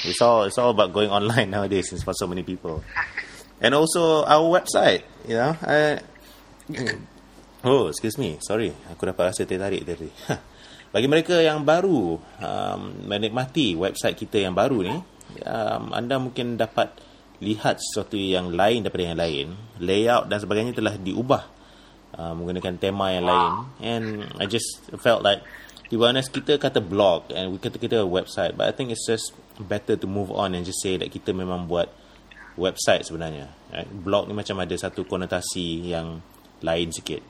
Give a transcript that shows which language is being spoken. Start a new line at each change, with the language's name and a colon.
English: It's all about going online nowadays, since for so many people. And also our website, you know.
Malay: Aku dapat rasa tertarik tadi. Bagi mereka yang baru menikmati website kita yang baru ni, anda mungkin dapat lihat sesuatu yang lain daripada yang lain. Layout dan sebagainya telah diubah menggunakan tema yang lain.
English: And I just felt like, to be honest,
Malay: kita kata blog
English: and we kata website, but I think it's just better to move on and just say that
Malay: kita memang buat website sebenarnya,
English: right?
Malay: Blog ni macam ada satu konotasi yang lain sikit.